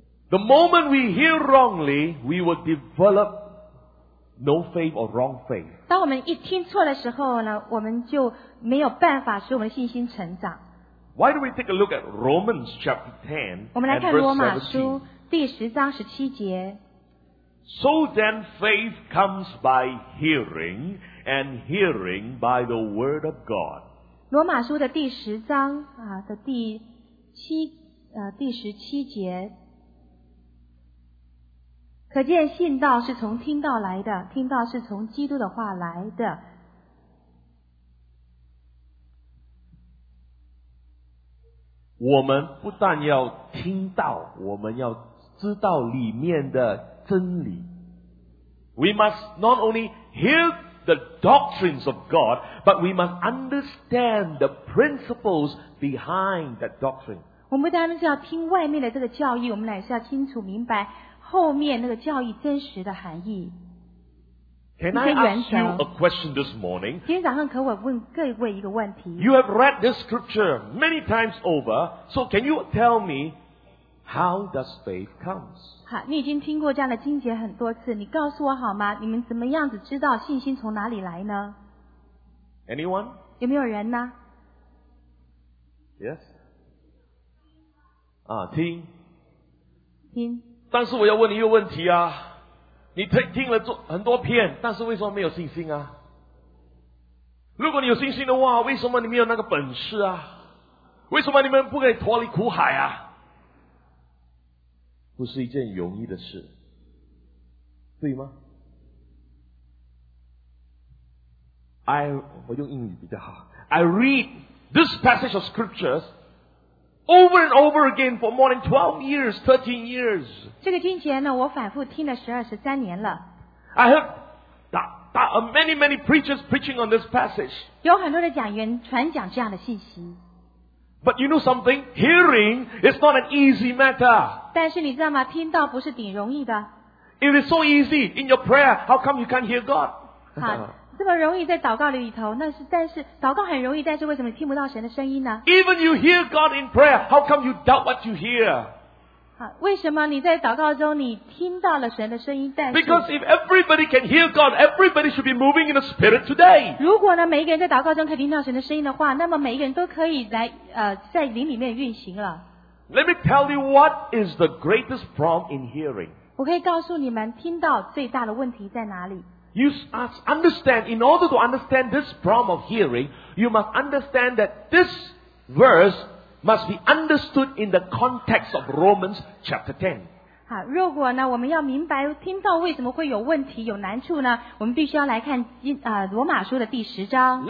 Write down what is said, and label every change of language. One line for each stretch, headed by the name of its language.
English: The moment we hear wrongly, we will develop no faith or wrong faith.
Chinese: 当我们一听错的时候呢，我们就没有办法使我们的信心成长。
English: Why do we take a look at Romans chapter 10?
Chinese: 我们来看罗马书第十章十七节。
English: So then faith comes by hearing, and hearing by the word of God.
Chinese: 罗马书的第十章啊的第七第十七节。可见信道是从听道来的，听道是从基督的话来的。我们不但要听到，我们要知道里面的真理。
English: We must not only hear the doctrines of God, but we must understand the principles behind that doctrine.
Chinese: 我们不单是要听外面的这个教义，我们乃是要清楚明白后面那个教义真实的含义。
English: Can I ask you a question this morning?
Chinese: 今天早上可我问各位一个问题。
English: You have read this scripture many times over, so can you tell me how does faith comes?
Chinese: 好，你已经听过这样的经节很多次，你告诉我好吗？你们怎么样子知道信心从哪里来呢？
English: Anyone?
Chinese: 有没有人呢？
English: Yes?
Chinese: 啊，听。听。但是我要问你一个问题啊。你听了很多遍，但是为什么没有信心啊？如果你有信心的话，为什么你没有那个本事啊？为什么你们不可以脱离苦海啊？不是一件容易的事，对吗？ I 我用英语比较好。
English: I read this passage of scriptures over and over again for more than 12 years, 13 years.
Chinese: 这个经节呢，我反复听了十二十三年了。
English: I have many preachers preaching on this passage.
Chinese: 有很多的讲员传讲这样的信息。
English: But you know something? Hearing is not an easy matter.
Chinese: 但是你知道吗？听到不是挺容易的。
English: It is so easy in your prayer. How come you can't hear God?
Chinese: 这么容易在祷告里头，那是但是祷告很容易，但是为什么你听不到神的声音呢？
English: Even you hear God in prayer, how come you doubt what you hear?
Chinese: 为什么你在祷告中你听到了神的声音，但是
English: Because if everybody can hear God, everybody should be moving in the Spirit today.
Chinese: 如果呢每一个人在祷告中可以听到神的声音的话，那么每一个人都可以来在灵里面运行了。
English: Let me tell you what is the greatest problem in hearing.
Chinese: 我可以告诉你们听到最大的问题在哪里。
English: You must understand, in order to understand this problem of hearing, you must understand that this verse must be understood in the context of Romans chapter 10.
Chinese: 好，如果呢，我们要明白听到为什么会有问题、有难处呢？我们必须要来看罗马书的第十章。